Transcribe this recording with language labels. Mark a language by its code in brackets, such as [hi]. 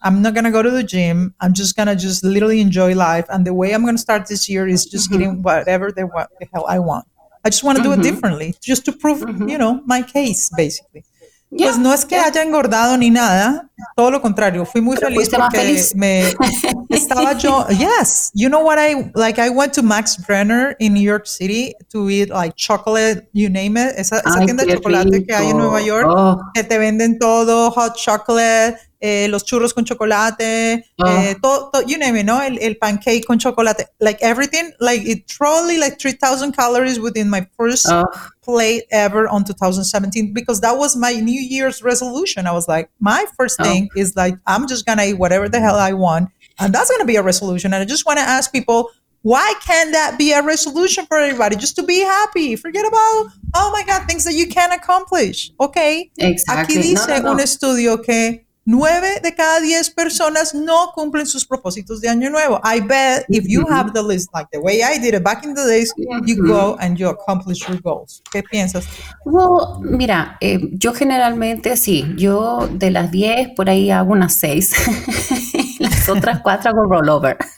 [en] I'm not gonna go to the gym. I'm just gonna just literally enjoy life. And the way I'm gonna start this year is just getting whatever the hell I want. I just want to do it differently, just to prove, you know, my case, basically. Yeah. [es] Pues no es que haya engordado ni nada. Todo lo contrario. Fui muy feliz porque me estaba yo. [en] Yes. You know what? I went to Max Brenner in New York City to eat like chocolate, you name it. [es] Esa tienda de chocolate que hay en Nueva York. Oh. Que te venden todo, hot chocolate, los churros con chocolate, todo, [en] you name it, [es] ¿no? El pancake con chocolate. [en] Like everything, like it totally like 3,000 calories within my first plate ever on 2017, because that was my New Year's resolution. I was like, my first thing is like, I'm just gonna eat whatever the hell I want, and that's gonna be a resolution. And I just wanna ask people, why can't that be a resolution for everybody? Just to be happy. Forget about, oh my God, things that you can't accomplish. Okay. Exactly. [es] Aquí dice un estudio que 9 de cada 10 personas no cumplen sus propósitos de año nuevo. [en] I bet if you have the list like the way I did it back in the days, you go and you accomplish your goals. [es] ¿Qué piensas? Well, mira, yo generalmente sí. Yo de las 10 por ahí hago unas 6. Las otras 4 hago rollover.